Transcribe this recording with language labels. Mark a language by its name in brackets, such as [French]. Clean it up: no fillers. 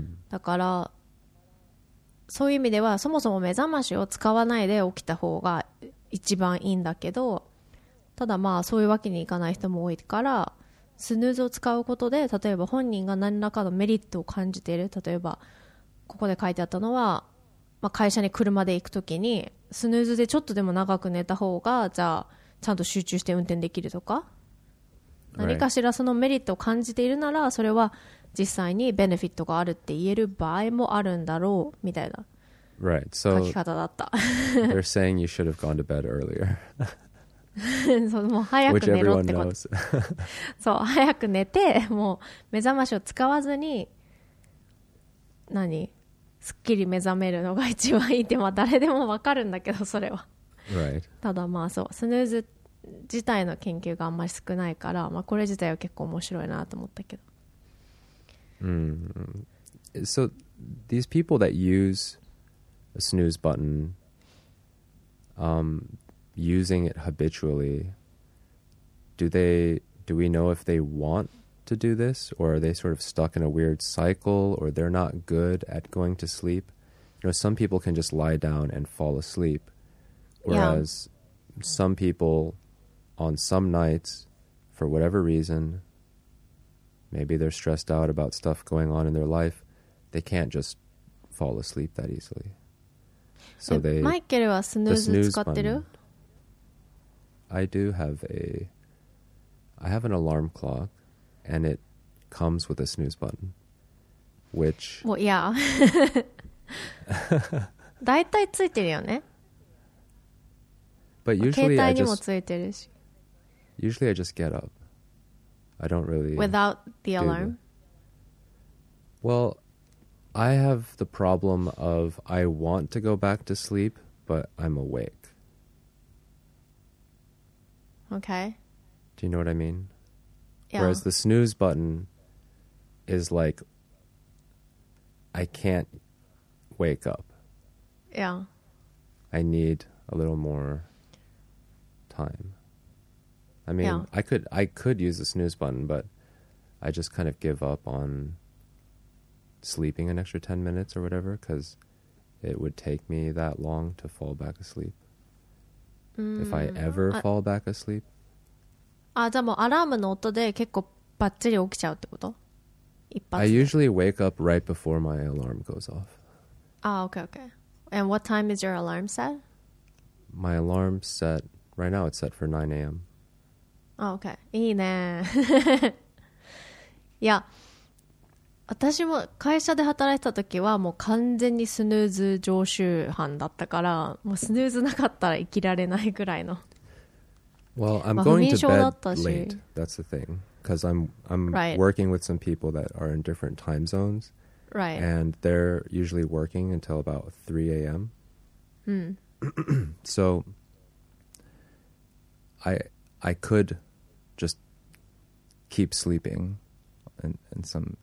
[Japanese] だからそういう意味ではそもそも目覚ましを使わないで起きた方が一番いいんだけど、ただまあそういうわけにいかない人も多いから、スヌーズを使うことで例えば本人が何らかのメリットを感じている、例えばここで書いてあったのは、まあ、会社に車で行くときにスヌーズでちょっとでも長く寝た方がじゃあちゃんと集中して運転できるとか、何かしらそのメリットを感じているなら、それは実際にベネフィットがあるって言える場合もあるんだろうみたいな書き方だった。 [English] They're saying you should have gone to bed earlier. [Japanese] そう、もう早く寝ろってこと。 [English] Which everyone knows. [Japanese] そう、早く寝て、もう目覚ましを使わずに、何、すっきり目覚めるのが一番いいって、まあ誰でも分かるんだけど、それは。 [English] Right. [Japanese] ただまあそう、スヌーズ自体の研究があんまり少ないから、まあ、これ自体は結構面白いなと思ったけど。 [English] So these people that use a snooze button, using it habitually, do we know if they want to do this, or are they sort of stuck in a weird cycle, or they're not good at going to sleep? You know, some people can just lie down and fall asleep, whereas some people on some nights, for whatever reason, maybe they're stressed out about stuff going on in their life, they can't just fall asleep that easily. So they... [Japanese] マイケルはスヌーズ使ってる? [English] I do have a... I have an alarm clock, and it comes with a snooze button. which... Well, yeah. [Japanese] だいたいついてるよね。 [English] But usually [Japanese] 携帯にもついてるし。 [English] Usually I just get up. I don't really... Without the alarm? Well, I have the problem of I want to go back to sleep, but I'm awake. Okay. Do you know what I mean? Yeah. Whereas the snooze button is like, I can't wake up. Yeah. I need a little more time. I mean, yeah. I could use the snooze button, but I just kind of give up on sleeping an extra 10 minutes or whatever, because it would take me that long to fall back asleep. If I ever fall back asleep. [Japanese] あ、じゃあもうアラームの音で結構バッチリ起きちゃうってこと？一発で。 [English] I usually wake up right before my alarm goes off. Ah, okay, okay. And what time is your alarm set? My alarm set, right now it's set for 9 a.m. Ah, okay. [Japanese] いいね。いや、私も会社で働いてた時はもう完全にスヌーズ常習犯だったから、もうスヌーズなかったら生きられないぐらいの。 [English] Well, I'm going to bed late. That's the thing. Because I'm right. working with some people that are in different time zones. Right. And they're usually working until about 3 a.m. So I could just keep sleeping. And some.